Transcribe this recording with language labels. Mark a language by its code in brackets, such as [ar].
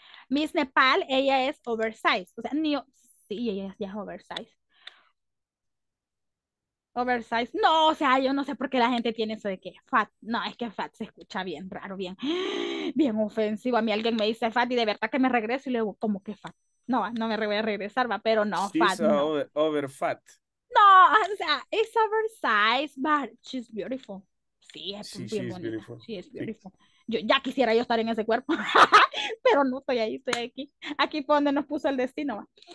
[es] Miss Nepal, ella es oversized. O sea, niño, sí, ella ya es oversized. Oversized. No, o sea, yo no sé por qué la gente tiene eso de que fat. No, es que fat se escucha bien raro, bien ofensivo. A mí alguien me dice fat y de verdad que me regreso y le digo, ¿cómo que fat? No, no me voy a regresar, va, pero no, [en] she's fat. [es] No. [en] Over fat. [es] No, o sea, [en] it's oversized, but she's beautiful. [es] Sí, es bien bonita. [en] She's beautiful. [es] Yo, ya quisiera yo estar en ese cuerpo, pero no estoy ahí, estoy aquí. Aquí fue donde nos puso el destino, va.